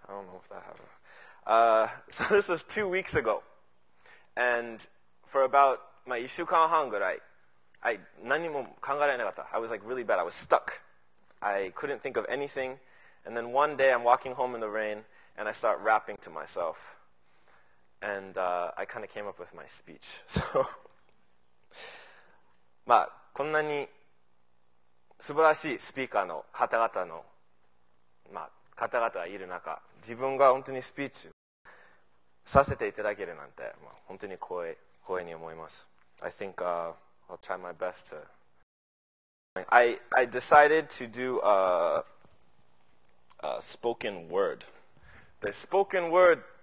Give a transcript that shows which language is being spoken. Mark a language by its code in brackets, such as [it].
[en] I don't know if that happened. So this was 2 weeks ago, and for about my [ja] 1週間半ぐらい, [en] I [ja] 何も考えられなかった. [en] I was like really bad. I was stuck. I couldn't think of anything, and then one day I'm walking home in the rain, and I start rapping to myself. And I kind of came up with my speech. So, [ja] こんなに素晴らしいスピーカーの方々の方々がいる中、自分が本当にスピーチさせていただけるなんて、本当に光栄に思います。 [en] I think I'll try my best to... I decided to do a spoken word. The spoken word